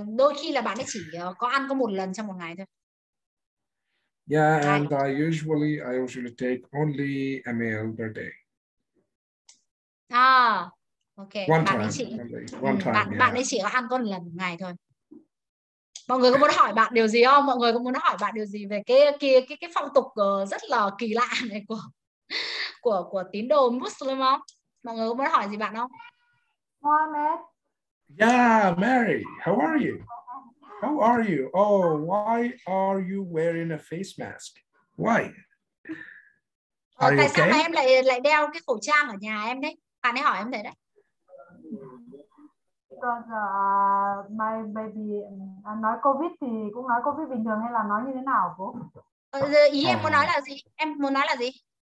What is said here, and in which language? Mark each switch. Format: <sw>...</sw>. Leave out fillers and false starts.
<vi>Đôi khi là bạn ấy chỉ có ăn có một lần trong một ngày thôi.</vi> <en>Yeah, and I usually take only a meal per day. Okay. One time.</en> <vi>Bạn ấy chỉ có ăn có một lần một ngày thôi. Mọi người có muốn hỏi bạn điều gì không? Mọi người có muốn hỏi bạn điều gì về cái phong tục rất là kỳ lạ này của tín đồ Muslim không? Mọi người có muốn hỏi gì bạn không? Mohammed.</vi> <en>Yeah, Mary, how are you? Oh, why are you wearing a face mask? Why? Are you okay?</en> <vi>Tại sao mà em lại đeo cái khẩu trang ở nhà em đấy? Bạn ấy hỏi em thế đấy.</vi> <en>Because my baby,</en> <vi>nói COVID thì cũng nói COVID bình thường hay là nói như thế nào cô? Em muốn nói là gì?</vi>